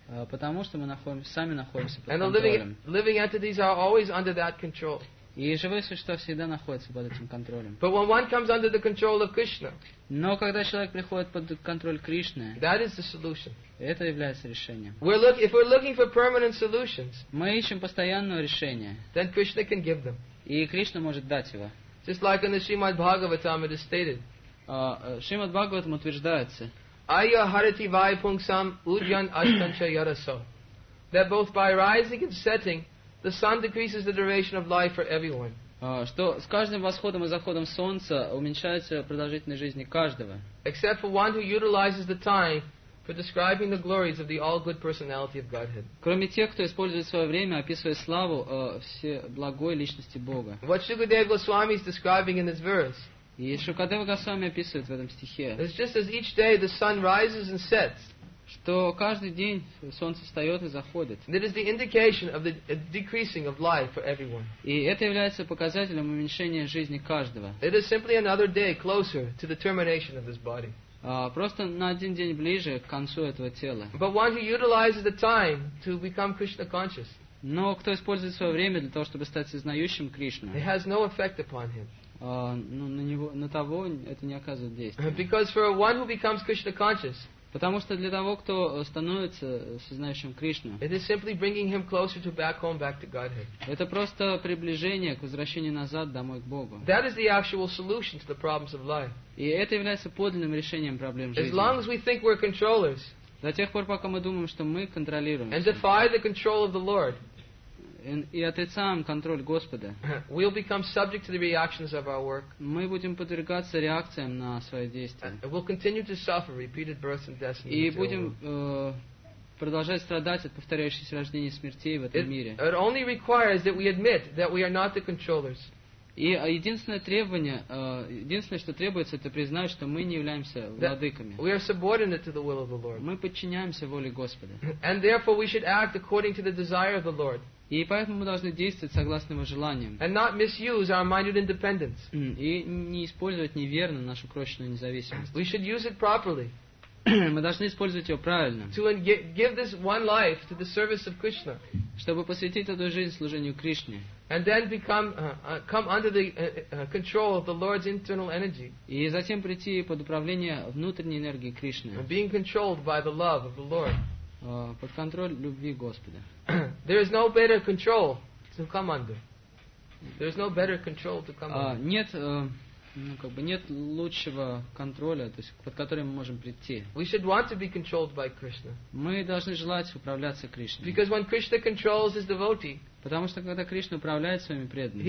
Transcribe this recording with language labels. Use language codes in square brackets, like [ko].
[ru] Потому что мы сами находимся под контролем. [en] And the living entities are always under that control. [ru] И живые существа всегда находятся под этим контролем. [en] But when one comes under the control of Krishna, [ru] но когда человек приходит под контроль Кришны, [en] that is the solution. [ru] Это является решением. [en] If we're looking for permanent solutions, [ru] мы ищем постоянное решение, [en] then Krishna can give them. [ru] И Кришна может дать его. [en] Just like in the Srimad Bhagavatam it is stated. [ru] Srimad Bhagavatam утверждается. [sa] Aya harati vai pungsam ujyan astancha yaraso. [en] That both by rising and setting, the sun decreases the duration of life for everyone. [ru] Что с каждым восходом и заходом солнца уменьшается продолжительность жизни каждого. [en] Except for one who utilizes the time for describing the glories of the all-good personality of Godhead. [ru] Кроме тех, кто использует свое время, описывая славу всеблагой личности Бога. [en] What Shukadeva Goswami is describing in this verse. [ru] И Шукадева Госвами описывает в этом стихе. [en] It's just as each day the sun rises and sets. [ru] что каждый день солнце встает и заходит. [en] That is the indication of the decreasing of life for everyone. [ru] И это является показателем уменьшения жизни каждого. [en] It is simply another day closer to the termination of this body. [ru] Просто на один день ближе к концу этого тела. [en] But one who utilizes the time to become Krishna conscious. [ru] Но кто использует свое время для того, чтобы стать сознающим Кришну? [en] It has no effect upon him. [ru] На того это не оказывает действия. [en] Because for one who becomes Krishna conscious. [ru] Потому что для того, кто становится сознающим Кришну, [en] it is simply bringing him closer to back home, back to Godhead. [ru] Это просто приближение к возвращению назад домой к Богу. [en] That is the actual solution to the problems of life. [ru] И это является подлинным решением проблем жизни. [en] As long as we think we're controllers. [ru] До тех пор, пока мы думаем, что мы контролируем. [en] And defy the control of the Lord. [ru] И отрицаем контроль Господа. [en] We'll become subject to the reactions of our work. [ru] Мы будем подвергаться реакциям на свои действия. [en] And we'll continue to suffer repeated births and deaths. [ru] И будем продолжать страдать от повторяющихся рождений и смерти в этом мире. [en] It only requires that we admit that we are not the controllers. [ru] И единственное требование, единственное, что требуется, это признать, что мы не являемся владыками. [en] We are subordinate to the will of the Lord. [ru] Мы подчиняемся воле Господа. [en] And therefore we should act according to the desire of the Lord. [ru] И поэтому мы должны действовать согласно его желаниям. [en] And not misuse our minute independence. [ru] И не использовать неверно нашу крошечную независимость. [en] We should use it properly. [ru] Мы должны использовать ее правильно. [en] To give this one life to the service of Krishna. [ru] Чтобы посвятить эту жизнь служению Кришне. [en] And then become come under the control of the Lord's internal energy. [ru] И затем прийти под управление внутренней энергии Кришны. [en] And being controlled by the love of the Lord. [ru] Под контроль любви Господа. [en] There is no better control to come under. There is no better control to come under. [ru] Нет, нет лучшего контроля, то есть под который мы можем прийти. [en] We should want to be controlled by Krishna. [ru] Мы должны желать управляться Кришной. [en] Because when Krishna controls his devotee. [ru] Потому что когда Кришна управляет своими преданными,